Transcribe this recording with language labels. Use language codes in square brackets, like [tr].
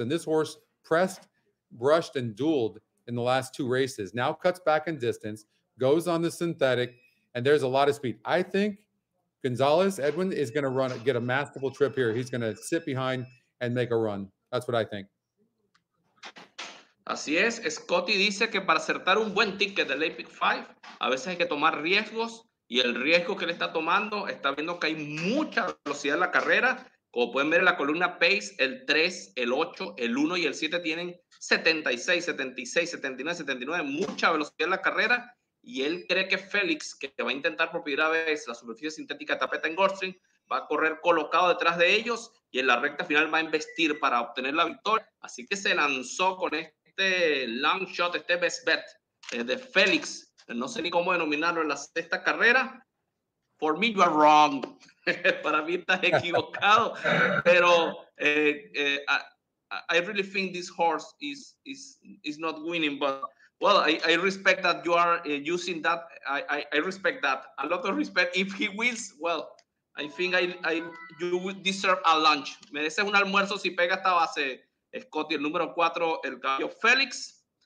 [en] And this horse pressed, brushed, and dueled in the last two races. Now cuts back in distance, goes on the synthetic, and there's a lot of speed. I think Gonzalez Edwin is going to run, get a masterful trip here. He's going to sit behind and make a run. That's what I think. [es] Así es. Scotty dice que para acertar un buen ticket del Epic 5, a veces hay que tomar riesgos. Y el riesgo que él está tomando, está viendo que hay mucha velocidad en la carrera. Como pueden ver en la columna Pace, el 3, el 8, el 1 y el 7 tienen 76, 76, 79, 79. Mucha velocidad en la carrera. Y él cree que Félix, que va a intentar por primera vez la superficie sintética tapeta en Gulfstream, va a correr colocado detrás de ellos y en la recta final va a embestir para obtener la victoria. Así que se lanzó con este long shot, este best bet de Félix. No sé ni cómo denominarlo en la sexta carrera. [en] For me, you are wrong. [es] Para mí estás equivocado. Pero [en] I really think this horse is not winning, but... Well, I respect that you are using that. I respect that. A lot of respect. If he wins, well, I think you deserve a lunch. [es] Mereces un almuerzo si pega esta base, Scotty, el número 4, el caballo Félix.